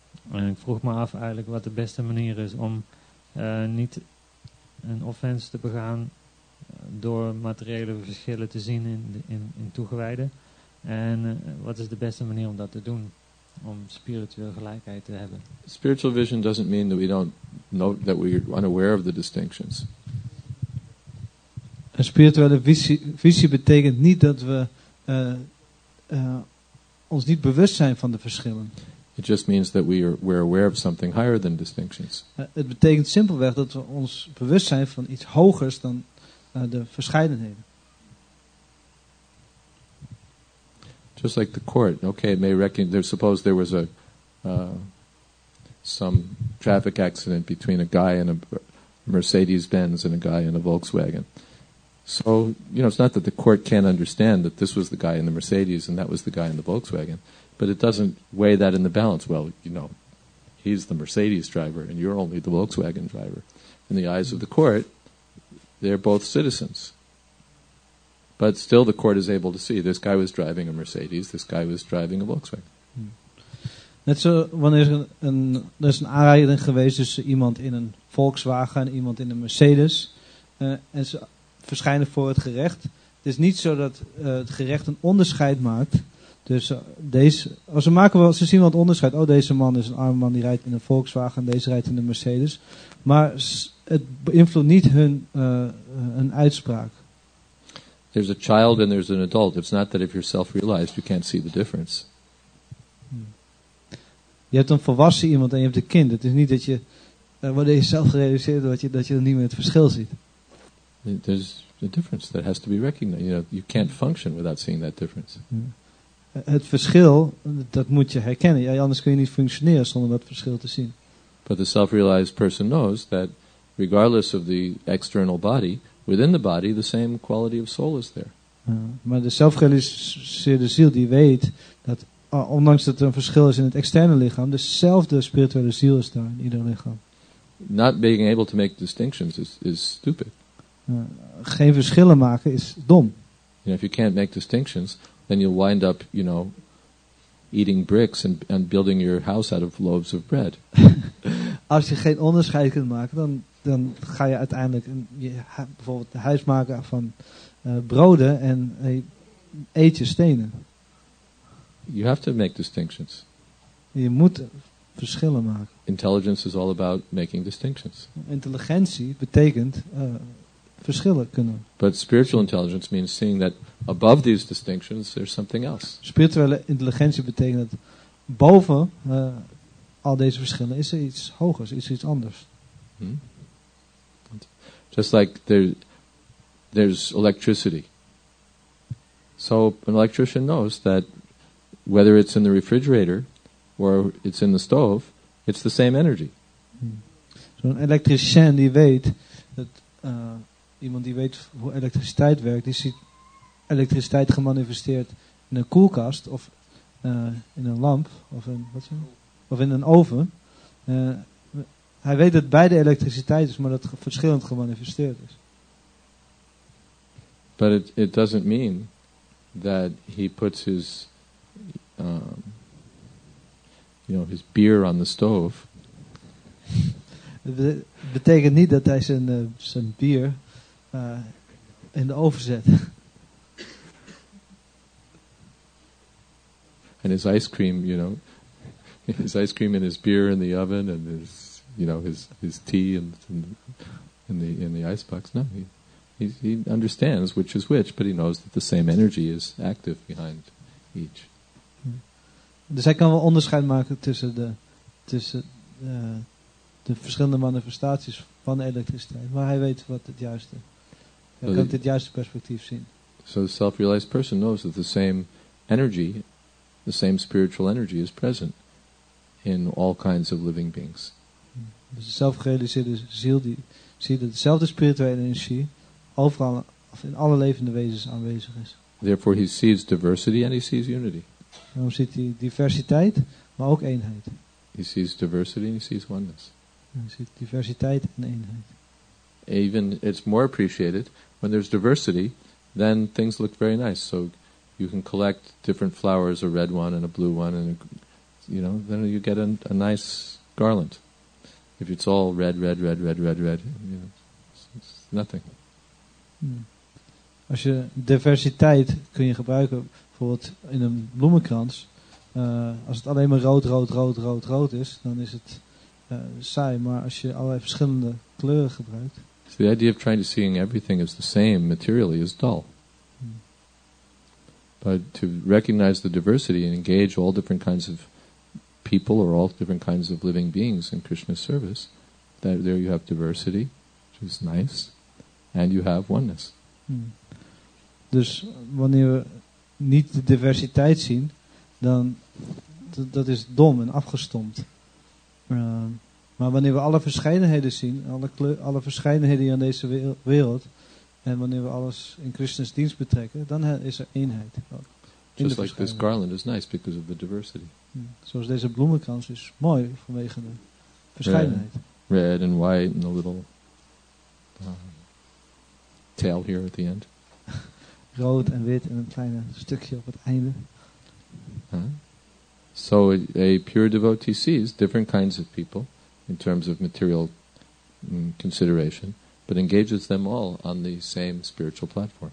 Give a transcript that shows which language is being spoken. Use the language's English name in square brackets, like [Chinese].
[Dutch] En ik vroeg me af eigenlijk wat de beste manier is om niet een offense te begaan door materiële verschillen te zien in toegewijden. En wat is de beste manier om dat te doen? Om spiritueel gelijkheid te hebben. [English] Spiritual vision doesn't mean that we don't know that we are unaware of the distinctions. [Dutch] Een spirituele visie betekent niet dat we ons niet bewust zijn van de verschillen. [English] It just means that we're aware of something higher than distinctions. [Dutch] Het betekent simpelweg dat we ons bewust zijn van iets hogers dan de verscheidenheden. [English] Just like the court, okay, it may recognize, suppose there was a some traffic accident between a guy in a Mercedes-Benz and a guy in a Volkswagen. So, you know, it's not that the court can't understand that this was the guy in the Mercedes and that was the guy in the Volkswagen, but it doesn't weigh that in the balance. Well, you know, he's the Mercedes driver and you're only the Volkswagen driver. In the eyes of the court, they're both citizens. But still the court is able to see this guy was driving a Mercedes, this guy was driving a Volkswagen. [Dutch] Net zo wanneer er is een aanrijding geweest tussen iemand in een Volkswagen en iemand in een Mercedes. En ze verschijnen voor het gerecht. Het is niet zo dat het gerecht een onderscheid maakt. Dus ze zien wel het onderscheid. Oh, deze man is een arme man, die rijdt in een Volkswagen en deze rijdt in een Mercedes. Maar het beïnvloedt niet hun uitspraak. [English] There's a child and there's an adult. It's not that if you're self-realized, you can't see the difference. [Dutch] Je hebt een volwassen iemand en je hebt een kind. Het is niet dat je, wanneer je zelf gerealiseerd wordt, dat je dan niet meer het verschil ziet. [English] There's a difference that has to be recognized. You know, you can't function without seeing that difference. [Dutch] Het verschil, dat moet je herkennen. Ja, anders kun je niet functioneren zonder dat verschil te zien. [English] But the self-realized person knows that regardless of the external body, within the body, the same quality of soul is there. [Dutch] Maar de zelfgerealiseerde ziel die weet dat, ondanks dat er een verschil is in het externe lichaam, dezelfde spirituele ziel is daar in ieder lichaam. [English] Not being able to make distinctions is stupid. [Dutch] Geen verschillen maken is dom. [English] You know, if you can't make distinctions, then you'll wind up, you know, eating bricks and building your house out of loaves of bread. [Dutch] Als je geen onderscheid kunt maken, dan ga je uiteindelijk bijvoorbeeld de huis maken van broden en eet je stenen. [English] You have to make distinctions. [Dutch] Je moet verschillen maken. [English] Intelligence is all about making distinctions. [Dutch] Intelligentie betekent verschillen kunnen. [English] But spiritual intelligence means seeing that above these distinctions there's something else. [Dutch] Spirituele intelligentie betekent dat boven al deze verschillen is er iets hogers, is er iets anders. [English] Just like there's electricity. So an electrician knows that whether it's in the refrigerator or it's in the stove, it's the same energy. [Dutch] Zo'n elektricien die weet dat iemand die weet hoe elektriciteit werkt, die ziet elektriciteit gemanifesteerd in een koelkast of in een lamp of in, wat zijn, of in een oven. Hij weet dat beide elektriciteit is, maar dat verschillend gemanifesteerd is. [English] But it doesn't mean that he puts his his beer on the stove. [Dutch] Het betekent niet dat hij zijn zijn bier in de oven zet. [English] And his ice cream, you know, his ice cream and his beer in the oven and his, you know, his tea in the ice box. No, he understands which is which, but he knows that the same energy is active behind each. [Dutch] Dus hij kan wel onderscheid maken tussen de verschillende manifestaties van elektriciteit, maar hij weet wat het juiste. Hij kan het juiste perspectief zien. [English] So the self-realized person knows that the same energy, the same spiritual energy is present in all kinds of living beings. [Dutch] Dus de zelfgerealiseerde ziel die ziet dat dezelfde spirituele energie overal of in alle levende wezens aanwezig is. [English] Therefore he sees diversity and he sees unity. [Dutch] Daarom ziet hij diversiteit, maar ook eenheid. [English] He sees diversity and he sees oneness. [Dutch] Hij ziet diversiteit en eenheid. [English] Even it's more appreciated when there's diversity, then things look very nice. So you can collect different flowers, a red one and a blue one, and you know, then you get a nice garland. If it's all red, you know, it's nothing. [Dutch] Als je diversiteit kun je gebruiken, bijvoorbeeld in een bloemenkrans. Als het alleen maar rood is, dan is het saai. Maar als je allerlei verschillende kleuren gebruikt. [English] So the idea of trying to seeing everything as the same materially is dull. But to recognize the diversity and engage all different kinds of people or all different kinds of living beings in Krishna's service, that there you have diversity, which is nice, and you have oneness. [Dutch] Dus wanneer we niet de diversiteit zien, dan dat is dom en afgestompt. Maar wanneer we alle verschijnenheden zien, alle verschijnenheden aan deze wereld, en wanneer we alles in Krishna's dienst betrekken, dan is er eenheid. [English] Just like this garland is nice because of the diversity. [Dutch] Zoals deze bloemenkrans is mooi vanwege de verschijnenheid. [English] Red and white and a little tail here at the end. [Dutch] Rood en wit en een kleine stukje op het einde. Huh? [English] So a pure devotee sees different kinds of people in terms of material consideration, but engages them all on the same spiritual platform.